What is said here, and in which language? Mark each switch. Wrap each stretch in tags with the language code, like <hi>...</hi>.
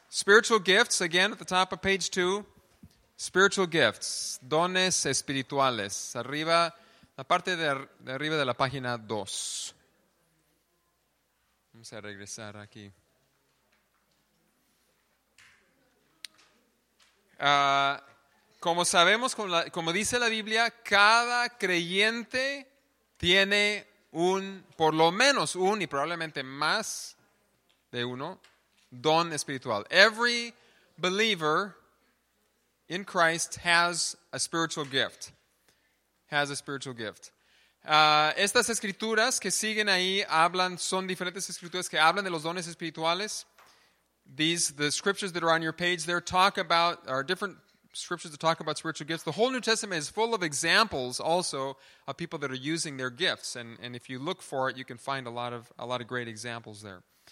<en>Spiritual gifts, again, at the top of page 2. Spiritual gifts, dones espirituales.</en> <es>Arriba, la parte de arriba de la página 2. Vamos a regresar aquí. Como sabemos, como dice la Biblia, cada creyente tiene por lo menos un y probablemente más de uno don espiritual.</es> <en>Every believer in Christ has a spiritual gift.</en> <es>Has a spiritual gift. Estas escrituras que siguen ahí son diferentes escrituras que hablan de los dones espirituales.</es> <en>The scriptures that are on your page there talk about, are different scriptures that talk about spiritual gifts. The whole New Testament is full of examples also of people that are using their gifts. And if you look for it, you can find a lot of great examples there.</en>